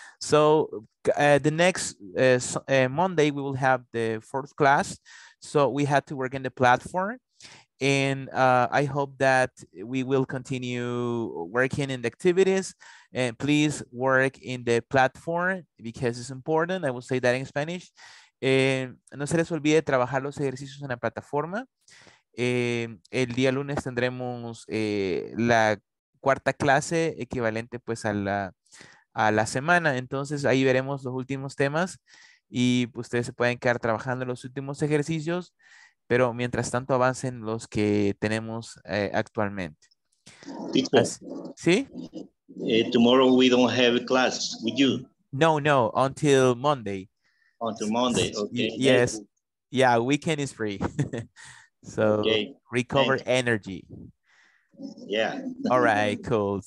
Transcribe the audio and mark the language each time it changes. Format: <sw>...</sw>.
<en>So the next Monday, we will have the fourth class. So we had to work in the platform, and I hope that we will continue working in the activities, and please work in the platform because it's important. I will say that in Spanish.</en> <es>No se les olvide trabajar los ejercicios en la plataforma. El día lunes tendremos la cuarta clase equivalente pues a la semana. Entonces ahí veremos los últimos temas. Y ustedes se pueden quedar trabajando los últimos ejercicios, pero mientras tanto avancen los que tenemos actualmente.</es> <en>Teacher,</en> <es>¿sí?</es> <en>Tomorrow we don't have a class with you. No, until Monday. Until Monday, okay. Yes. Yeah, weekend is free. So okay. Recover Thanks. Energy. Yeah. All right, cool.</en>